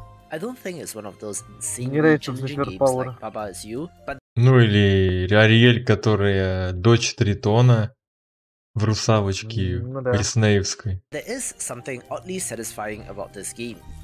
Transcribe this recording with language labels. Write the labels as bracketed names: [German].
[English] I don't think it's one of those insane challenging games like Baba is You, but... [Russian] Ну или Ариэль, которая дочь Тритона в русалочке ну, да. Диснеевской. [English] There is something oddly satisfying about this game.